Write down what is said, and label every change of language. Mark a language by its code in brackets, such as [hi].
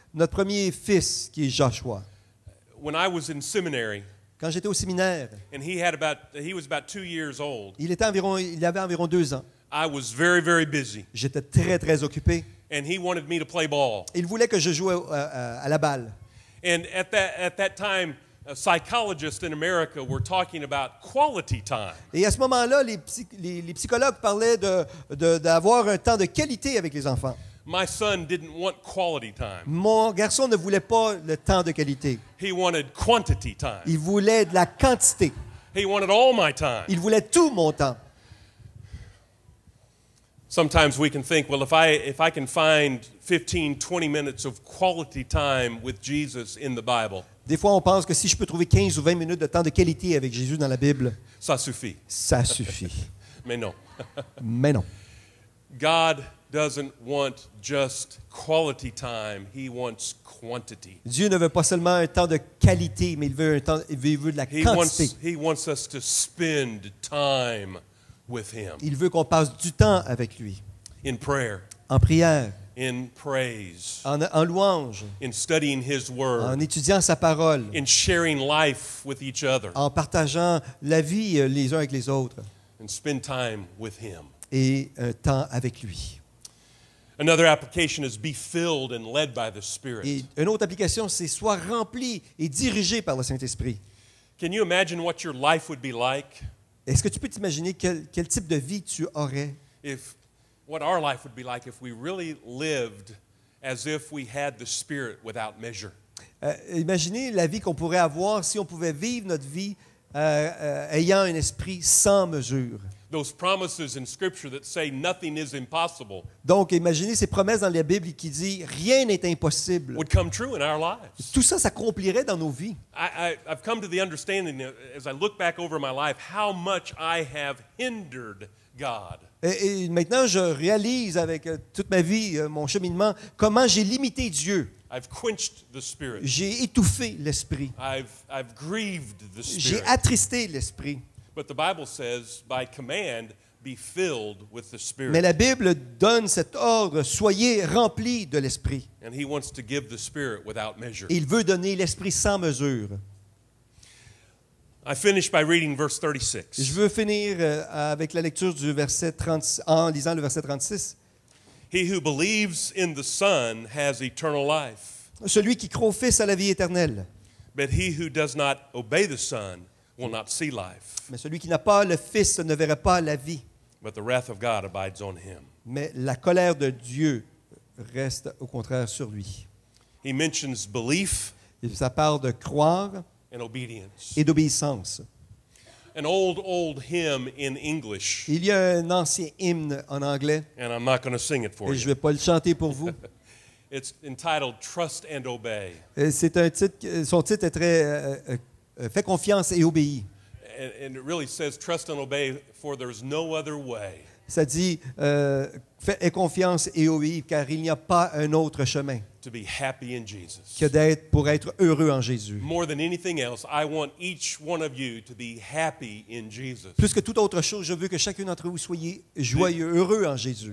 [fr] Notre premier fils qui est Joshua. [en] When I was in seminary, [fr] quand j'étais au séminaire, [en] and he was about 2 years old. [fr] Il avait environ 2 ans. [en] I was very very busy. [fr] J'étais très très occupé. [en] And he wanted me to play ball. [fr] Il voulait que je joue à la balle. [en] And at that time, a psychologist in America were talking about quality time. [fr] Et à ce moment-là, les psychologues parlaient d'avoir un temps de qualité avec les enfants. [en] My son didn't want quality time. [fr] Mon garçon ne voulait pas le temps de qualité. [en] He wanted quantity time. [fr] Il voulait de la quantité. [en] He wanted all my time. [fr] Il voulait tout mon temps. [en] Sometimes we can think, well, if I can find 15, 20 minutes of quality time with Jesus in the Bible. [fr] Des fois, on pense que si je peux trouver 15 ou 20 minutes de temps de qualité avec Jésus dans la Bible, ça suffit. Ça suffit. Mais non. Mais non. [en] God doesn't want just quality time. He wants quantity. [fr] Dieu ne veut pas seulement un temps de qualité, mais il veut un temps, il veut de la quantité. [en] He wants us to spend time with Him. [fr] Il veut qu'on passe du temps avec lui. [en] In prayer. [fr] En prière. [en] In praise, [fr] en louange, [en] in studying His word, [fr] en étudiant sa parole, [en] in sharing life with each other, [fr] en partageant la vie les uns avec les autres, [en] and spend time with Him, [fr] et un temps avec lui. [en] Another application is be filled and led by the Spirit. [fr] Et une autre application, c'est soit rempli et dirigé par le Saint-Esprit. [en] Can you imagine what your life would be like? [fr] Est-ce que tu peux t'imaginer quel type de vie tu aurais? [en] What our life would be like if we really lived as if we had the Spirit without measure. [fr] Imaginez la vie qu'on pourrait avoir si on pouvait vivre notre vie ayant un esprit sans mesure. [en] Those promises in Scripture that say nothing is impossible. [fr] Donc imaginez ces promesses dans la Bible qui dit rien n'est impossible. [en] Would come true in our lives. [fr] Tout ça s'accomplirait dans nos vies. [en] I've come to the understanding as I look back over my life how much I have hindered God. [fr] Et maintenant, je réalise avec toute ma vie, mon cheminement, comment j'ai limité Dieu. [en] I've quenched the Spirit. [fr] J'ai étouffé l'Esprit. [en] I've grieved the Spirit. [fr] J'ai attristé l'Esprit. [en] But the Bible says, by command, be filled with the Spirit. [fr] Mais la Bible donne cet ordre, soyez remplis de l'Esprit. [en] And he wants to give the Spirit without measure. [fr] Il veut donner l'Esprit sans mesure. [en] I finish by reading verse 36. [fr] Je veux finir avec la lecture du verset 36, en lisant le verset 36. [en] He who believes in the Son has eternal life. [fr] Celui qui croit au Fils a la vie éternelle. [en] But he who does not obey the Son will not see life. [fr] Mais celui qui n'a pas le Fils ne verra pas la vie. [en] But the wrath of God abides on him. [fr] Mais la colère de Dieu reste au contraire sur lui. [en] He mentions belief. [fr] Ça parle de croire. [en] And obedience. [fr] Et d'obéissance. [en] An old hymn in English. [fr] Il y a un ancien hymne en anglais. [en] And I'm not going to sing it for you. [fr] Je vais pas le chanter pour vous. [en] It's entitled Trust and Obey. [fr] C'est un titre. Son titre est très Fais confiance et obéis. [en] And it really says Trust and obey, for there's no other way. [fr] Ça dit, aie confiance et obéis, car il n'y a pas un autre chemin [en] to be happy in Jesus. [fr] Que d'être pour être heureux en Jésus. [en] More than anything else, I want each one of you to be happy in Jesus. [fr] Plus que toute autre chose, je veux que chacun d'entre vous soyez joyeux, heureux en Jésus.